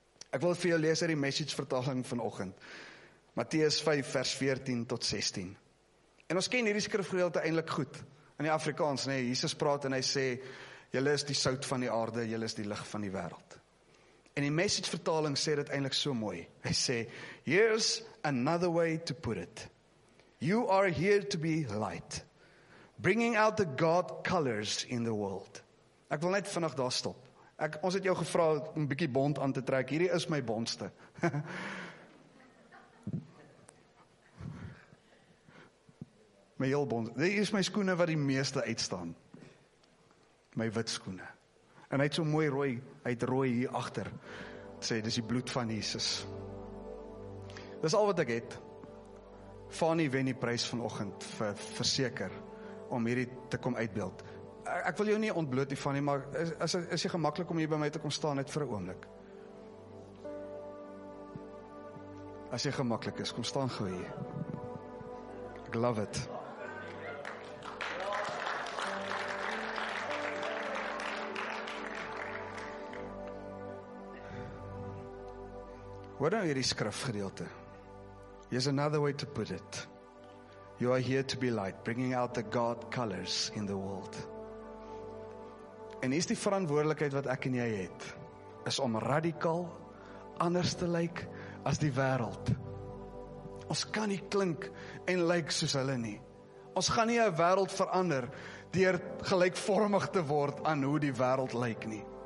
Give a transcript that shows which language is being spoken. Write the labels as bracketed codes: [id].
[af] Ek wil vir jou lees uit die message vertaling vanoggend, Matteus 5 vers 14 tot 16. En ons ken hierdie skrifgedeelte eintlik goed, in die Afrikaans, nee, Jesus praat en hy sê, julle is die sout van die aarde, julle is die lig van die wêreld. En die message vertaling sê dit eintlik so mooi. Hy sê, [en] here's another way to put it. You are here to be light, bringing out the God colors in the world. [af] Ek wil net vinnig daar stop. Ons het jou gevra om 'n bietjie bont aan te trek. Hierdie is my bontste. My heel bond, dit is my skoene wat die meeste uitstaan. My wit skoene. En hy het so mooi rooi, hy het rooi hier achter. Sê, dis die bloed van Jesus. Dis al wat ek het. Fanny wen die prys vanoggend, verseker, om hierdie te kom uitbeeld. Ek wil jou nie ontbloot nie, Fanny, maar is jy gemakkelijk om hier by my te kom staan, net vir 'n oomblik? As jy gemakkelijk is, kom staan gou hier. Ek love it. Hoor nou hierdie skrifgedeelte. [en] Here's another way to put it. You are here to be light, bringing out the God colors in the world. [af] En is die verantwoordelikheid wat ek en jy het, is om radikaal anders te lyk as die wêreld. Ons kan nie klink en lyk soos hulle nie. Ons gaan nie 'n wêreld verander deur gelykvormig te word aan hoe die wêreld lyk nie.